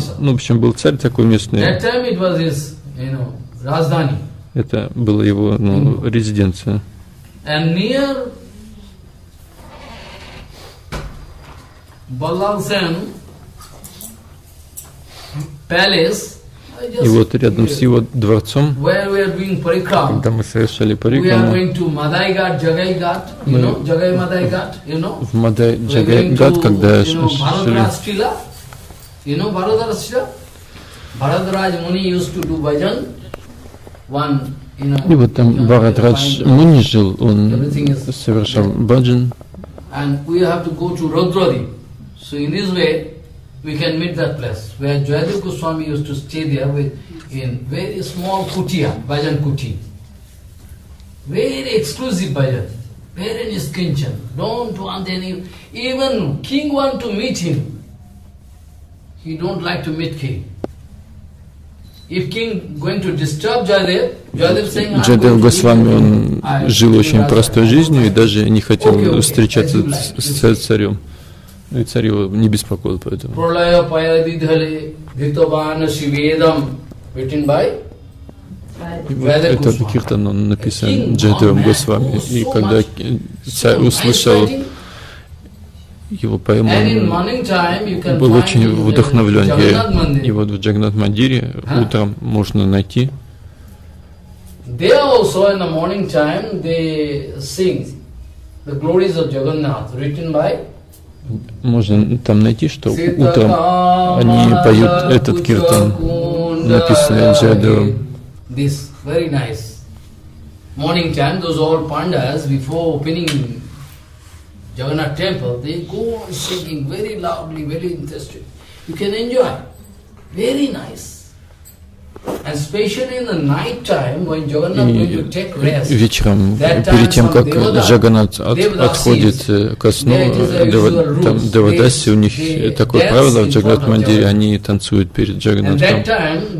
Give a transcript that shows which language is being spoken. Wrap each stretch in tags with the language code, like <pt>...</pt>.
<ru>ну, в общем, был царь такой местный. Это была его, ну, резиденция.</ru> <en>And near Balal Sen Palace,</en> <ru>и вот рядом с его дворцом,</ru> <en>where we are doing parikram,</en> <ru>когда мы совершали парикраму,</ru> <en>we are going to Madai Ghat, Jagai Ghat, you know, Jagai Madai Ghat, you know.</en> <ru>В Мадай Джагай Ghat, когда мы шли.</ru> <en>You know Bharadara Shila? Bharadaraj Muni used to do bhajan.</en> <ru>И вот там Бхарадрадж Муни жил, он совершал баджан.</ru> <en>And we have to go to Rudradi. So in this way we can meet that place where Jayadev Goswami used to stay there with in very small kutia, bhajan kuti. Very exclusive bhajan, very niskinchan. Don't want any, even king want to meet him. He don't like to meet king. If king going to disturb Jayadev, Jayadev saying,</en> <ru>Jayadev Goswami, он жил очень простой жизнью и даже не хотел встречаться с царем. Ну и царь его не беспокоил поэтому.</ru> <sa>Пролая пая дидхале, дитобана шиведам,</sa> <en>written by?</en> <ru>Это киртан, он написан Джайдевом Госвами. И когда царь услышал его поэму, он был очень вдохновлен. И вот в Джагнат Мандире утром можно найти.</ru> <en>They also in the morning time they sing the glories of Jagannath, written by.</en> <ru>Можно там найти, что утром они поют этот киртан, написанный Джайдевом.</ru> <en>This very nice morning time. Those all pandas before opening Jagannath temple, they go on singing very loudly, very interesting. You can enjoy. Very nice. And especially in the night time when Jagannath is going to take rest.</en> <ru>Вечером, перед тем, как Джаганнат отходит ко сну, там Девадаси, у них такое правило в Джагнат Мандире, они танцуют перед Джаганнатом.</ru>